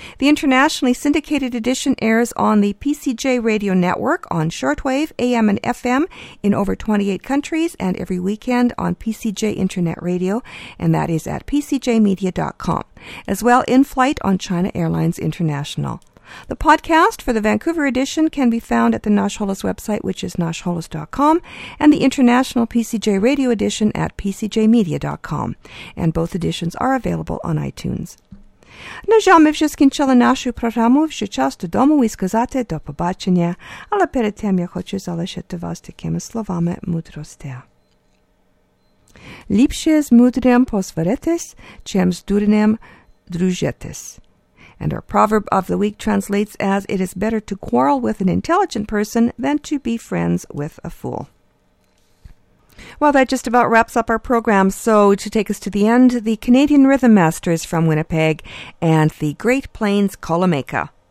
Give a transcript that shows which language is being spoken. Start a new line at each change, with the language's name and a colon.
English: The internationally syndicated edition airs on the PCJ Radio Network on shortwave, AM and FM in over 28 countries and every weekend on PCJ Internet Radio, and that is at pcjmedia.com, as well in-flight on China Airlines International. The podcast for the Vancouver edition can be found at the Nash Holos website, which is nashholos.com, and the international PCJ radio edition at pcjmedia.com. And both editions are available on iTunes.
Ukrainian: Наже ми вже скінчили нашу програму, вже час додому і сказати до побачення. Але перед тим я хочу залишити вас такими словами мудрості. Ліпше з мудрим посваритись, чим з дурним дружитись.
English: And our proverb of the week translates as, it is better to quarrel with an intelligent person than to be friends with a fool. Well, that just about wraps up our program. So to take us to the end, the Canadian Rhythm Masters from Winnipeg and the Great Plains Kolomeka.